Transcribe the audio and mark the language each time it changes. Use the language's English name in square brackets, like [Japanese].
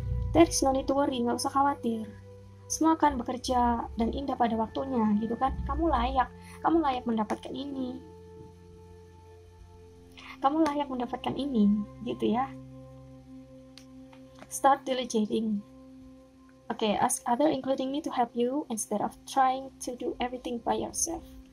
[English] There is no need to worry, [Indonesian] nggak usah khawatir. Semua akan bekerja dan indah pada waktunya, gitu kan. Kamu layak mendapatkan ini. Kamu layak mendapatkan ini, gitu ya. [English] Start delegating. Okay, ask other including me to help you instead of trying to do everything by yourself.